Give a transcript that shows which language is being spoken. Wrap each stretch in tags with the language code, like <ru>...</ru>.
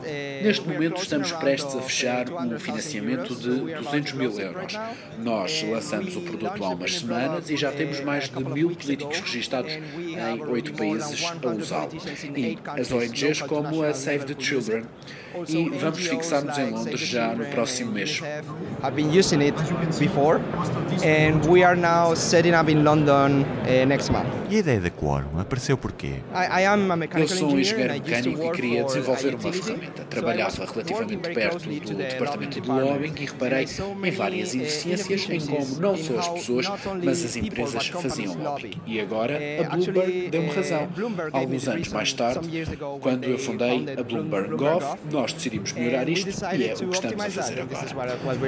<pt>neste momento estamos prestes a fechar um financiamento de 200 mil euros. Nós lançamos o produto há umas semanas e já temos mais de 1000 políticos registados em 8 países a usá-lo. E as ONGs como a Save the Children. E vamos fixar-nos em Londres já no próximo mês.</pt> <en>I've been using it before and we are now setting up in London next month.</en> <pt>E a ideia da Quorum apareceu porquê? Eu sou um engenheiro mecânico e queria desenvolver uma ferramenta. Trabalhava relativamente perto do departamento de lobbying e reparei em várias ineficiências em como não só as pessoas, mas as empresas faziam lobbying. E agora a Bloomberg deu-me razão. Alguns anos mais tarde, quando eu fundei a Bloomberg Gov, nós decidimos melhorar isto e é o que estamos a fazer agora.</pt>